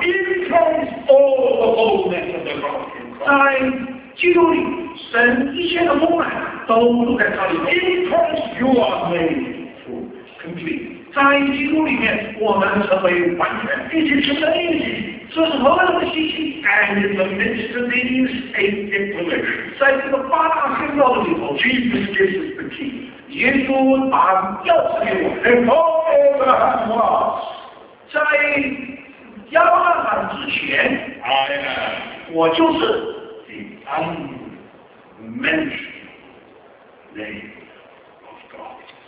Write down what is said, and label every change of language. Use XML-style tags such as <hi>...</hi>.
<en>，in Christ all the fullness of the Godhead，</en> <zh>在基督里。神一切的丰满都住在他里面。</zh> <en>In Christ, you are made full, complete.</en> <zh>在基督里面，我们成为完全。</zh> <en>It is amazing.</en> <zh>这是何等的信息</zh> <en>！And in the midst of these eight declarations,</en> <zh>在这个八大宣告的里头</zh> <en>，Jesus gives us the key.</en> <zh>耶稣把钥匙给我。</zh> <en>And Abraham was</en> <zh>在亚伯拉罕之前</zh> <en>，I am.</en> <zh>我就是。</zh> <en>The unmentioned name of God.</en>